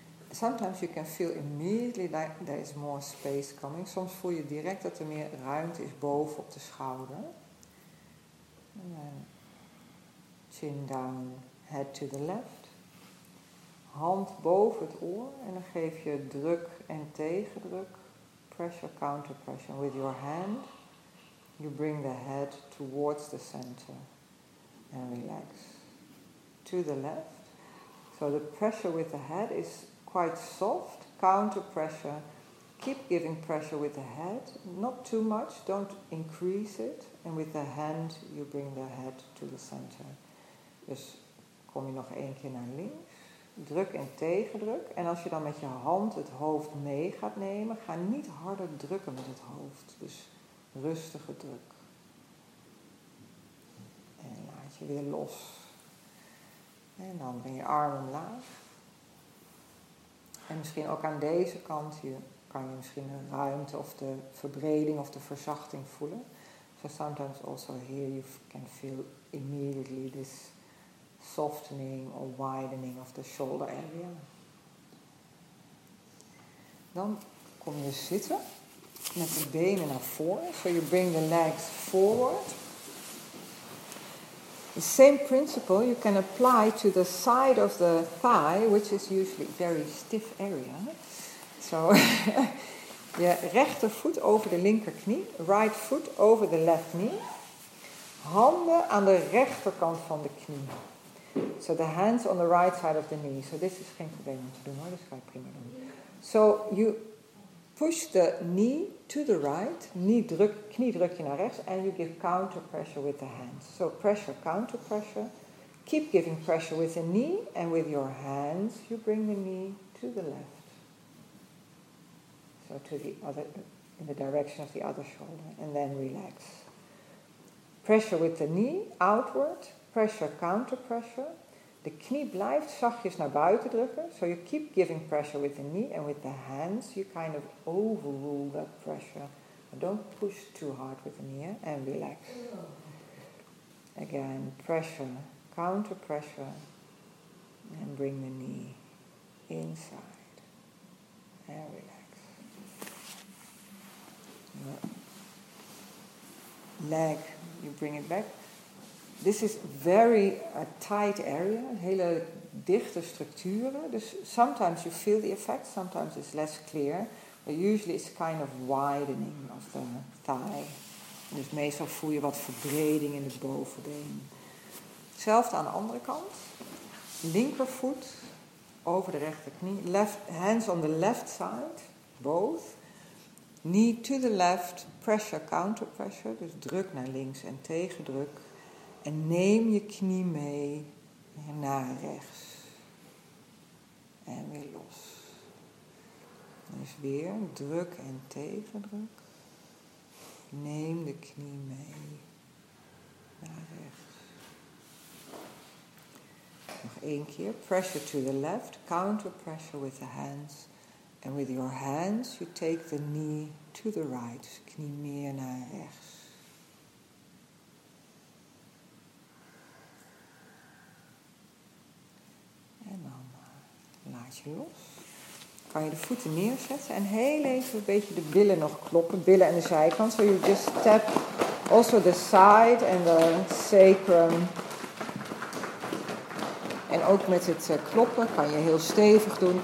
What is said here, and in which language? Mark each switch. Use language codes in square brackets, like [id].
[en] Sometimes you can feel immediately that there is more space coming. [nl] Soms voel je direct dat er meer ruimte is boven op de schouder. [en] And then chin down, head to the left. [nl] Hand boven het oor en dan geef je druk en tegendruk. [en] Pressure, counter pressure. With your hand, you bring the head towards the center. And relax. To the left. So the pressure with the head is quite soft, counter pressure. Keep giving pressure with the head, not too much, don't increase it. And with the hand, you bring the head to the center. [nl] Dus kom je nog één keer naar links. Druk en tegendruk. En als je dan met je hand het hoofd mee gaat nemen, ga niet harder drukken met het hoofd. Dus rustige druk. En laat je weer los. En dan breng je armen laag. En misschien ook aan deze kant hier kan je misschien de ruimte of de verbreding of de verzachting voelen. [en] So sometimes also here you can feel immediately this softening or widening of the shoulder area. [nl] Dan kom je zitten met de benen naar voren. [en] So you bring the legs forward. The same principle you can apply to the side of the thigh, which is usually a very stiff area. So, [nl] je rechtervoet over de linkerknie, [en] right foot over the left knee. [nl] Handen aan de rechterkant van de knie. [en] So the hands on the right side of the knee. So this is [nl] geen probleem om te doen hoor, dat is vrij prima doen. [en] So you push the knee to the right, [nl] knie druk je naar rechts, [en] and you give counter pressure with the hands. So pressure, counter pressure. Keep giving pressure with the knee, and with your hands, you bring the knee to the left. So to the other, in the direction of the other shoulder, and then relax. Pressure with the knee, outward. Pressure, counter pressure. [nl] De knie blijft zachtjes naar buiten drukken. [en] So you keep giving pressure with the knee. And with the hands, you kind of overrule that pressure. Don't push too hard with the knee and relax. Again, pressure, counter pressure, and bring the knee inside and relax. Leg, you bring it back. This is very tight area, [nl] hele dichte structuren. [en] Dus sometimes you feel the effect, sometimes it's less clear. But usually it's kind of widening of the thigh. [nl] En dus meestal voel je wat verbreding in het bovenbeen. Hetzelfde aan de andere kant. Linkervoet over de rechterknie. [en] Left, hands on the left side, both. Knee to the left, pressure, counter pressure. [nl] Dus druk naar links en tegendruk. En neem je knie mee naar rechts. En weer los. Dus weer druk en tegendruk. Neem de knie mee naar rechts. Nog één keer. [en] Pressure to the left. Counter pressure with the hands. And with your hands you take the knee to the right. [nl] Dus knie meer naar rechts. En dan laat je los. Kan je de voeten neerzetten en heel even een beetje de billen nog kloppen. Billen en de zijkant. [en] So you just tap also the side and the sacrum. [nl] En ook met het kloppen kan je heel stevig doen.